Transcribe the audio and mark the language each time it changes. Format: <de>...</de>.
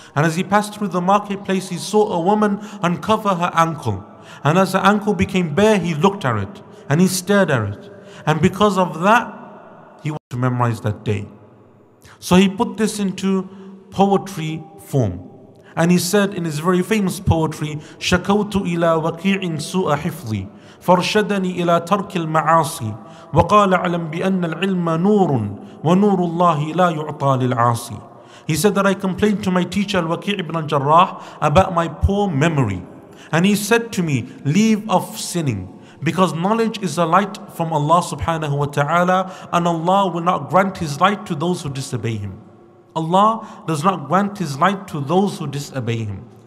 <en>And as he passed through the marketplace, he saw a woman uncover her ankle. And as her ankle became bare, he looked at it and he stared at it. And because of that, he wanted to memorize that day. So he put this into poetry form. And he said in his very famous poetry,</en> <ar>شَكَوْتُ إِلَىٰ وَكِيعٍ سُوءَ حِفْظِي فَرْشَدَنِي إِلَىٰ تَرْكِ الْمَعَاصِي وَقَالَ عَلَمْ بِأَنَّ الْعِلْمَ نُورٌ وَنُورُ اللَّهِ لَا يُعْطَى لِلْعَاصِي.</ar> <en>He said that I complained to my teacher Al-Waqi' ibn al-Jarrah about my poor memory. And he said to me, leave off sinning. Because knowledge is a light from Allah subhanahu wa ta'ala, and Allah will not grant His light to those who disobey Him. Allah does not grant His light to those who disobey Him.</en>